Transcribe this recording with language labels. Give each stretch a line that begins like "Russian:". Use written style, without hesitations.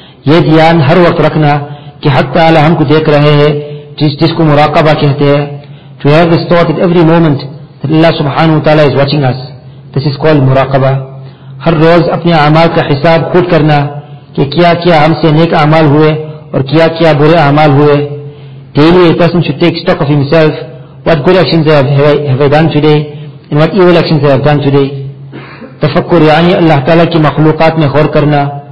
Urdu: یہ دھیان ہر وقت رکھنا کہ حق تعالی ہم کو دیکھ رہے ہیں جس کو مراقبہ کہتے ہیں.
English: To have this thought at every moment that Allah subhanahu wa ta'ala is watching us, this is called مراقبہ.
Urdu: ہر روز اپنے اعمال کا حساب خود کرنا کہ کیا کیا ہم سے نیک اعمال ہوئے اور کیا کیا برے اعمال ہوئے.
English: Daily a person should take stock of himself, what good actions have I done today and what evil actions I have done today.
Urdu: تفکر یعنی اللہ تعالی کی مخلوقات میں غور کرنا.